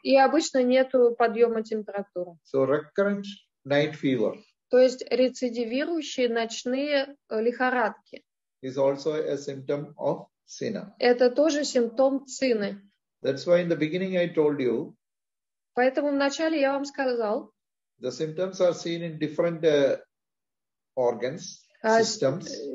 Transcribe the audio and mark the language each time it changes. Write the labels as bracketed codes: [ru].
[ru] И обычно нету подъема температуры. [en] So recurrent night fever. [ru] То есть рецидивирующие ночные лихорадки. [en] Is also a symptom of Cina. [ru] Это тоже симптом Цины. [en] That's why in the beginning I told you. [ru] Поэтому вначале я вам сказал. [en] The symptoms are seen in different organs, systems.